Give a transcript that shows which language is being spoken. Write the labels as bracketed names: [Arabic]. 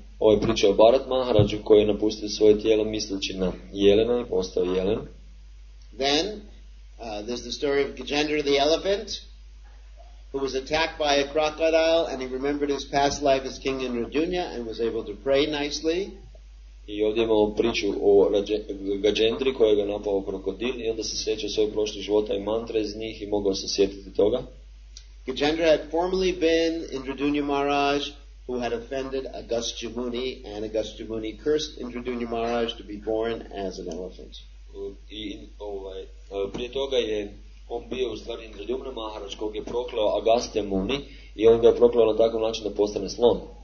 [Croatian] Ovo je priča o Bharat Maharaju koji je napustio svoje tijelo misleći na jelena i postao jelen. [English] Then, there's the story of Gajendra the elephant who was attacked by a crocodile and he remembered his past life as King Indrajunya and was able to pray nicely. [Croatian] I ovdje imamo priču o Gajendri kojeg je napao krokodil i onda se sjeća svoj prošli života i mantra iz njih i mogao se sjetiti toga. [English] Gajendra had formerly been Indrajunya Maharaj who had offended Agastya Muni and Agastya Muni cursed Indrajunya Maharaj to be born as an elephant. [Croatian] I prije toga je on bio u stvari Indrajumna Maharaj kog je prokleo Agastya Muni i on ga je prokleo na takav način da postane slon.